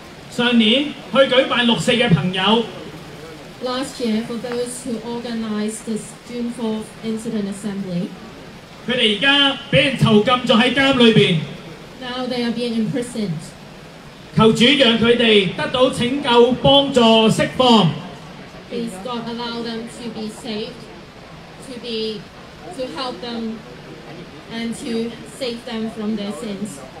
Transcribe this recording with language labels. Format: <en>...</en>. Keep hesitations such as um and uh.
<yue>上年去舉辦六四嘅朋友。</yue> <en>Last year for those who organised this June 4th incident assembly。</en> <yue>佢哋而家俾人囚禁咗喺監裏邊。</yue> <en>Now they are being imprisoned。</en> <yue>求主讓佢哋得到拯救、幫助、釋放。</yue> <en>Please God allow them to be saved, to be to help them and to save them from their sins.</en>